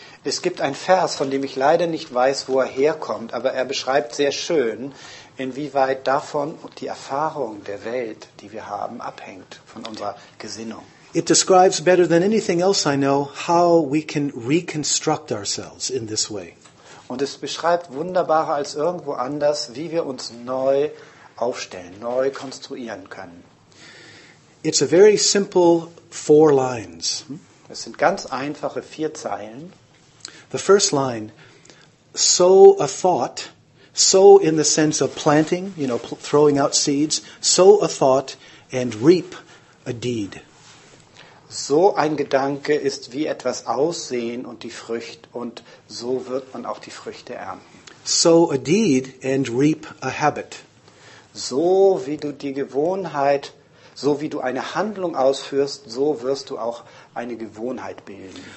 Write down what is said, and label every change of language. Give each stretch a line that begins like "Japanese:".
German: Es gibt ein Vers, von dem ich leider nicht weiß, wo er herkommt, aber er beschreibt sehr schön, inwieweit davon die Erfahrung der Welt, die wir haben, abhängt von unserer Gesinnung.
English: It describes better than anything else I know how we can reconstruct ourselves in this way.
German: Und es beschreibt wunderbarer als irgendwo anders, wie wir uns neu aufstellen, neu konstruieren können.
English: It's a very simple four lines.
German: Es sind ganz einfache vier Zeilen.
English: The first line, so a thought, so in the sense of planting, you know, throwing out seeds, so a thought and reap a deed.
German: So ein Gedanke ist wie etwas Aussehen und die Frucht und so wird man auch die Früchte ernten.
English: So a deed and reap a habit.
German: So wie du die Gewohnheit, so wie du eine Handlung ausführst, so wirst du auch eine Gewohnheit bilden.